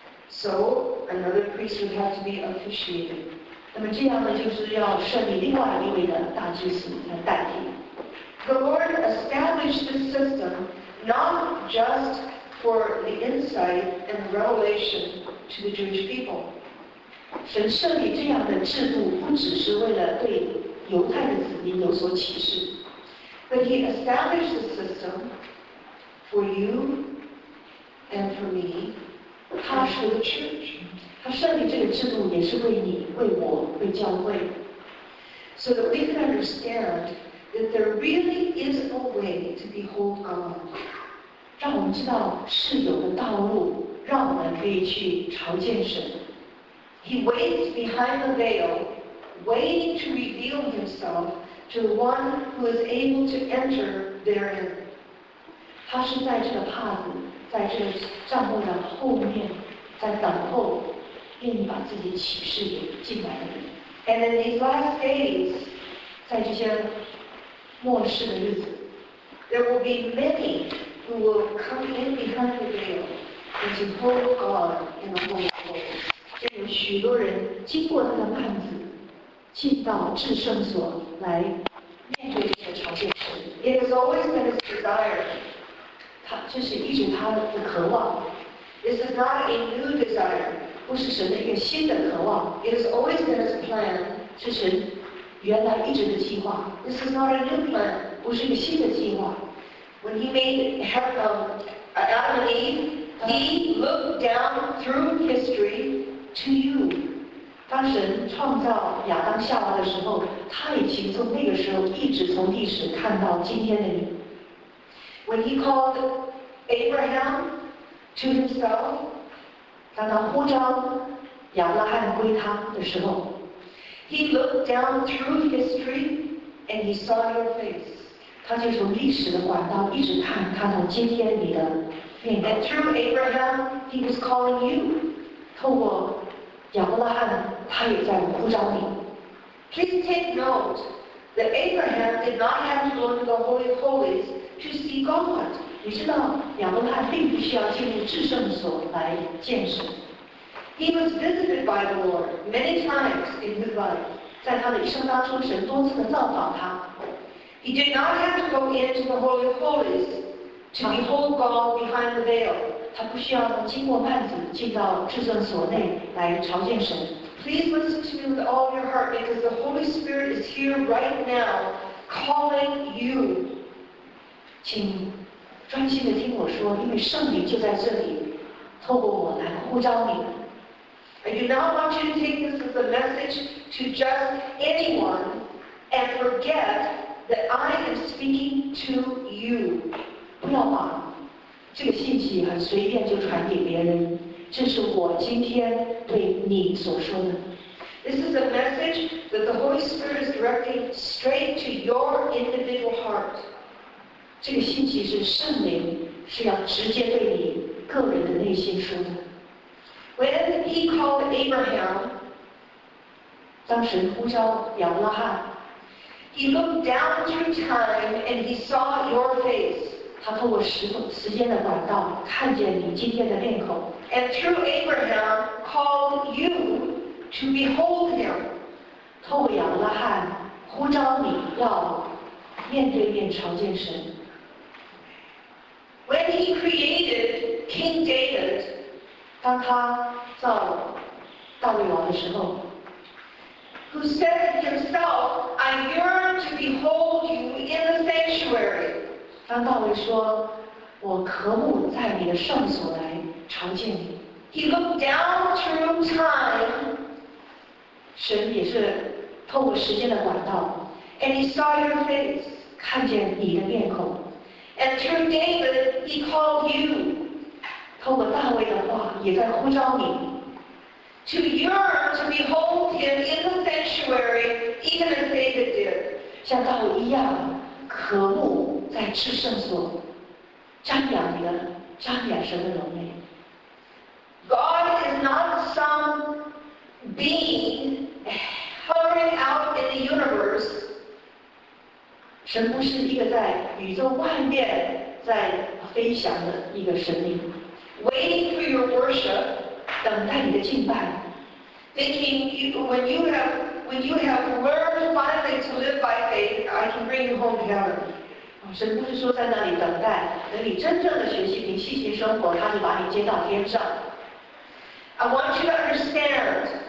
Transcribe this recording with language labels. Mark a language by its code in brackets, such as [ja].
[en] So another priest would have to be officiated. [zh] 那么这样呢，就是要设立另外一位的大祭司来代替。 [en] The Lord established this system not just for the insight and revelation to the Jewish people. [zh] 神设立这样的制度，不只是为了对犹太的子民有所启示。 [en] But he established the system for you and for me [zh] 他是我的 church， 他设立这个制度也是为你、为我、为教会。 [en] So that we can understand that there really is a way to behold God， [zh] 让我们知道是有个道路，让我们可以去朝见神。 [en] He waits behind the veil, waiting to reveal himself to the one who is able to enter therein。 [zh] 他是在这个帕子，在这个帐幕的后面，在等候，愿意把自己启示给进来的人。 [en] And in these last days， [zh] 在这些末世的日子 [en] ，there will be many who will come in behind the veil and to hold God in the holy place。 [zh] 有许多人经过他的幔子，进到至圣所来面对这个朝见神。 [en] It has always been his desire。 [zh] 他这是一直他的渴望。 [en] This is not a new desire。 [zh] 不是神的一个新的渴望。 [en] It has always been his plan， [zh] 是神原来一直的计划。 [en] This is not a new plan， [zh] 不是一个新的计划。 [en] When he made Adam and Eve， he looked down through history to you。 [zh] 当神创造亚当夏娃的时候，他已经从那个时候一直从历史看到今天的你。 [en] When he called Abraham to himself。 [zh] 当他呼召亚伯拉罕归他的时候 [en] ，He looked down through history and he saw your face。 [zh] 他就从历史的管道一直看，看到今天你的面。 [en] And through Abraham, he was calling you。 [zh] 透过亚伯拉罕，他也在呼召你。 [en] Please take note that Abraham did not have to go into the Holy of Holies to see God。 [zh] 你知道亚伯拉罕并不需要进入至圣所来见神。 [en] He was visited by the Lord many times in his life， [zh] 在他的一生当中，神多次的造访他。 [en] He did not have to go into the Holy of Holies to behold God behind the veil。 [zh] 他不需要经过幔子进到至圣所内来朝见神。 [en] Please listen to me with all your heart， because the Holy Spirit is here right now calling you。 [zh] 请。专心地听我说，因为圣灵就在这里，透过我来呼召你。 [en] I do not want you to take this as a message to just anyone and forget that I am speaking to you。 [zh] 不要把这个信息很随便就传给别人，这是我今天对你所说的。 [en] This is a message that the Holy Spirit is directing straight to your individual heart。 [zh] 这个信息是圣灵是要直接对你个人的内心说的。 [en] When he called Abraham， [zh] 当神呼召亚伯拉罕 [en] ，He looked down through time and he saw your face。 [zh] 他透过时间的管道看见你今天的面孔。 [en] And through Abraham called you to behold him。 [zh] 透过亚伯拉罕呼召你要面对面朝见神。 [en] When he created King David， [zh] 当他造大卫王的时候 [en] ，Who said himself， I yearn to behold you in the sanctuary。 [zh] 当大卫说，我渴慕在你的圣所来朝见你。 [en] He looked down through time， [zh] 神也是透过时间的管道 [en] ，And he saw your face， [zh] 看见你的面孔。 [en] And through David, he called you。 [zh] 透过大卫的话，也在呼召你。 [en] To yearn to behold him in the sanctuary, even as David did。 [zh] 像大卫一样，渴慕在至圣所，瞻仰神的荣美。 [en] God is not some being hovering out in the universe。 [zh] 神不是一个在宇宙万变在飞翔的一个神灵 [en] ，waiting for your worship， [zh] 等待你的敬拜 [en] ，thinking you, when you have learned finally to live by faith， I can bring you home to heaven。 [zh] 神不是说在那里等待，等你真正的学习凭信心生活，他就把你接到天上。 [en] I want you to understand，